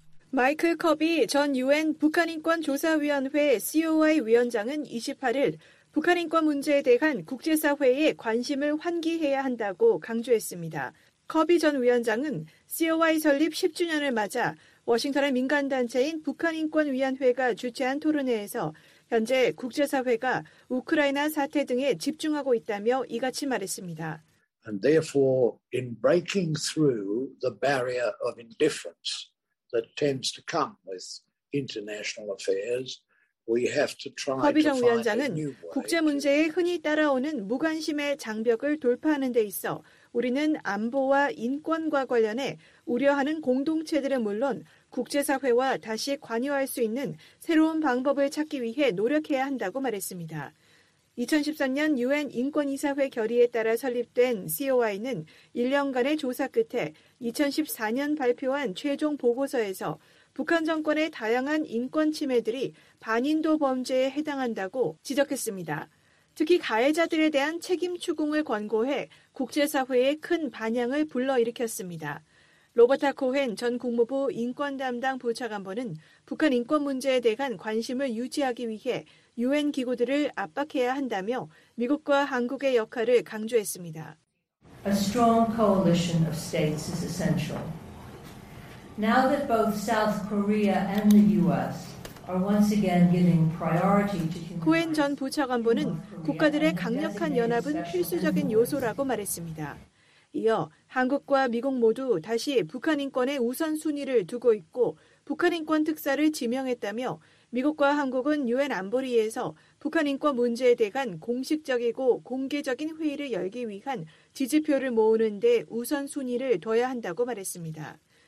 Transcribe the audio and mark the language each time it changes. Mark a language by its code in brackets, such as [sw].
[ko] 마이클 커비 전 UN 북한인권조사위원회 COI 위원장은 28일 북한인권 문제에 대한 국제사회의 관심을 환기해야 한다고 강조했습니다. 커비 전 위원장은 COI 설립 10주년을 맞아 워싱턴의 민간단체인 북한인권위원회가 주최한 토론회에서 현재 국제사회가 우크라이나 사태 등에 집중하고 있다며 이같이 말했습니다. [en] And therefore, in breaking through the barrier of indifference that tends to come with international affairs, we have to try to find a new way. [ko] 허비정 위원장은 국제 문제에 흔히 따라오는 무관심의 장벽을 돌파하는 데 있어 우리는 안보와 인권과 관련해 우려하는 공동체들은 물론 국제사회와 다시 관여할 수 있는 새로운 방법을 찾기 위해 노력해야 한다고 말했습니다. 2013년 UN 인권이사회 결의에 따라 설립된 COI는 1년간의 조사 끝에 2014년 발표한 최종 보고서에서 북한 정권의 다양한 인권 침해들이 반인도 범죄에 해당한다고 지적했습니다. 특히 가해자들에 대한 책임 추궁을 권고해 국제사회에 큰 반향을 불러일으켰습니다. 로버타 코헨 전 국무부 인권 담당 부차관보는 북한 인권 문제에 대한 관심을 유지하기 위해 유엔 기구들을 압박해야 한다며 미국과 한국의 역할을 강조했습니다. [en] A strong coalition of states is essential. Now that both South Korea and the US are once again giving priority to human rights, [ko] 코헨 전 부차관보는 국가들의 강력한 연합은 필수적인 요소라고 말했습니다. 이어 한국과 미국 모두 다시 북한 인권의 우선순위를 두고 있고 북한 인권 특사를 지명했다며 미국과 한국은 유엔 안보리에서 북한 인권 문제에 대한 공식적이고 공개적인 회의를 열기 위한 지지표를 모으는 데 우선순위를 둬야 한다고 말했습니다.